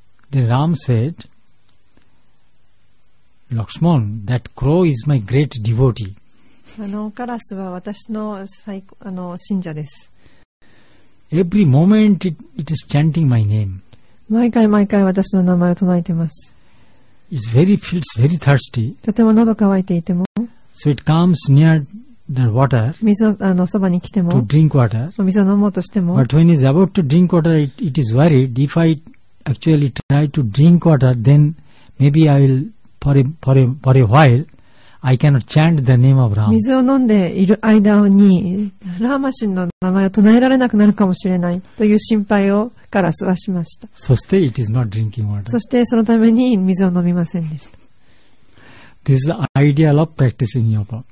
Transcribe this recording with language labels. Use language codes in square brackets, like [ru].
[en] Then Ram said, Lakshman, that crow is my great devotee. [ja] あのカラスは私の最高あの信者です。 [en] Every moment it is chanting my name. [ja] 毎回毎回私の名前を唱えています。 [en] It very feels very thirsty. [ja] とても喉乾いていても。 [en] So it comes near the water. [ja] 水のあのそばに来ても。 [en] To drink water. [ja] 水を飲もうとしても。 [en] But when it is about to drink water, it is worried if I actually try to drink water, then maybe I will for a while. I cannot chant the name of Ram. [ja] 水を飲んでいる間にラーマ神の名前を唱えられなくなるかもしれないという心配をカラスはしました。 [en] そして it is not drinking water. [ja] そしてそのために水を飲みませんでした。 [en] This is the ideal of practicing yoga.